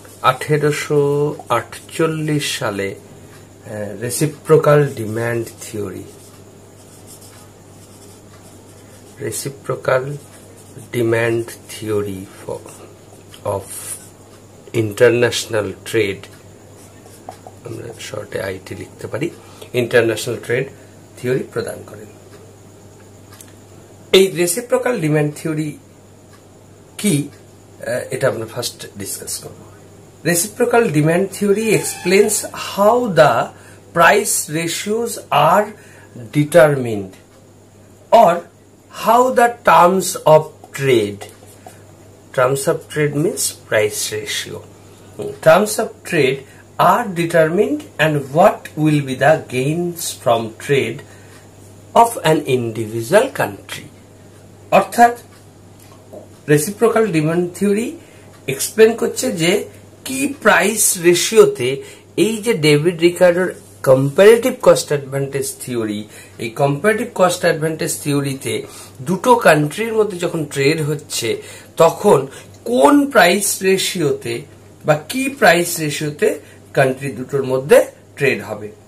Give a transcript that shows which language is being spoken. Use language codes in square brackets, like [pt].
[bn] 1848 সালে reciprocal demand theory, reciprocal demand theory of international trade, আমরা শর্টে আইটি লিখতে পারি, ইন্টারন্যাশনাল ট্রেড থিওরি প্রদান করেন। এই রেসিপ্রোকাল ডিম্যান্ড থিওরি কি এটা আমরা ফার্স্ট ডিসকাস করব। [en] Reciprocal demand theory explains how the price ratios are determined or how the terms of trade, terms of trade means price ratio, terms of trade are determined and what will be the gains from trade of an individual country. [bn] অর্থাৎ reciprocal demand theory explain করছে যে কি price রেশিওতে এই যে David রিকার্ডোর comparative cost advantage theory, এই comparative cost advantage থিওরিতে দুটো কান্ট্রির মধ্যে যখন ট্রেড হচ্ছে তখন কোন প্রাইস রেশিওতে বা কি প্রাইস রেশিওতে কান্ট্রি দুটোর মধ্যে ট্রেড হবে।